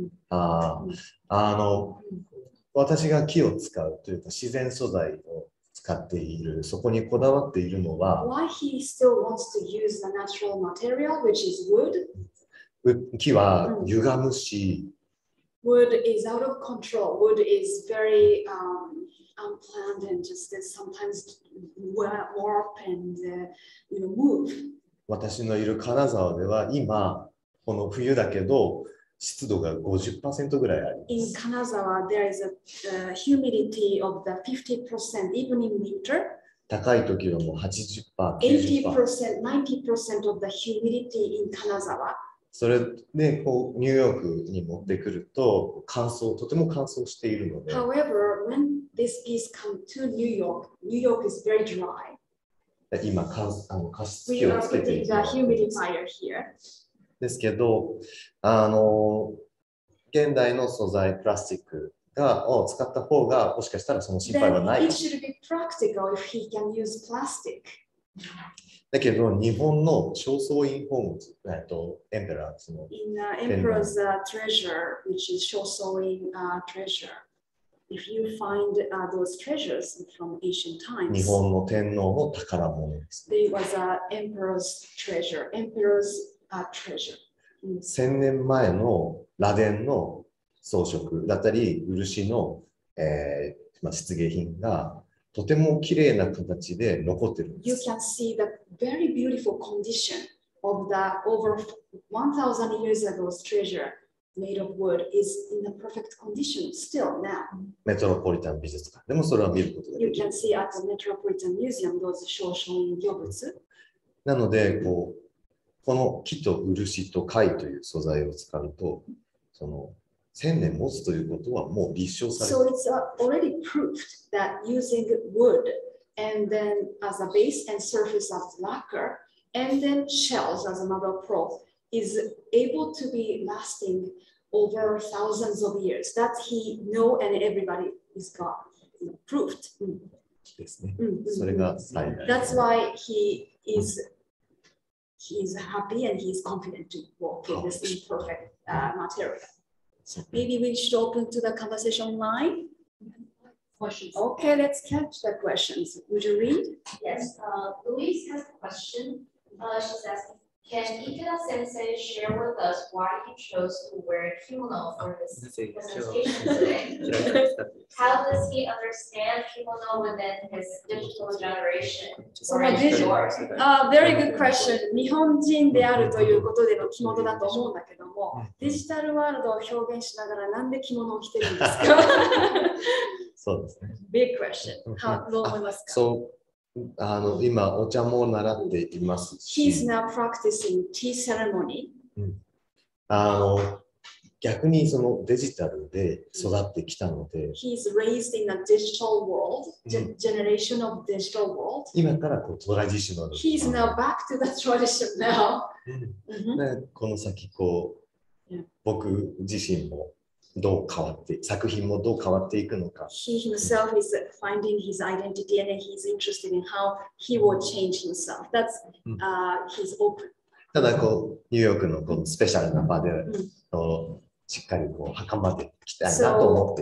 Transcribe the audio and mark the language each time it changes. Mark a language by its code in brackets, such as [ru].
[ja] あの私が木を使うというか自然素材を使っているそこにこだわっているのは、 [en] Why he still wants to use the natural material, which is wood? [ja] 木は歪むし、 [en] Wood is out of control. Wood is very unplanned and just sometimes warp and you know move. [ja] 私のいる金沢では今この冬だけど湿度が 50% ぐらいあります。 [en] In Kanazawa, there is a humidity of the 50% even in winter. [ja] 高い時はもう 80%、 [en] 80%、90% of the humidity in Kanazawa. [ja] それでこうニューヨークに持ってくると乾燥とても乾燥しているので。 [en] However, when this piece comes to New York, New York is very dry. [ja] 今あの加湿器をつけているので。 [en] We are putting the humidifier here. [ja] ですけど、あの現代の素材プラスチックがを使った方がもしかしたらその心配はない。 [en] Then it should be practical if he can use plastic. [ja] だけど日本の正倉院宝物、エンペラーズの [en] In the emperor's treasure, which is 正倉院 treasure. If you find those treasures from ancient times, [ja] 日本の天皇の宝物です。 [en] It was an emperor's treasure, emperor's treasure. [ja] 千年前の螺鈿の装飾だったり、漆の、漆芸品がとても綺麗な形で残ってるんです。 [en] You can see the very beautiful condition of the over 1,000 years ago's treasure made of wood is in the perfect condition still now. [ja] メトロポリタン美術館でもそれは見ることができる。 [en] You can see at the Metropolitan Museum those 正倉院御物。 [ja] なのでこうこの木と漆と貝という素材を使うとその。千年持つということはもう立証されている。 [en] So it's already proved that using wood and then as a base and surface of lacquer, and then shells as another pearl is able to be lasting over thousands of years. That he know and everybody is got proved. That's why he is he's happy and he's confident to work in this imperfect material. So maybe we should open to the conversation line. Questions. Okay, let's catch the questions. Would you read? Yes, Louise has a question. She's asking, can Ikeda sensei share with us why he chose to wear a kimono for this presentation today? How does he understand kimono within his digital generation? So my digital, very good question. [ja] 日本人であるということでの着物だと思うんだけども、デジタルワールドを表現しながらなんで着物を着てるんですか？そうですね。 [en] Big question. How, [ja] どう思いますか？ So,あの今お茶も習っていますし。 [en] He's now practicing tea ceremony.、 [ja] うん、あの逆にそのデジタルで育ってきたので。 [en] He's raised in a digital world,、うん、generation of digital world. [ja] 今からこうトラディショナル。 [en] He's now back to the tradition now. 、 [ja] うん、ね、この先こう、僕自身も。どう変わって作品もどう変わっていくのか。 [en] He himself is finding his identity and he's interested in how he will change himself. That's、his open. [ja] ただこうニューヨークのこのスペシャルな場で、うん、しっかりこう袴で着たいなと思って。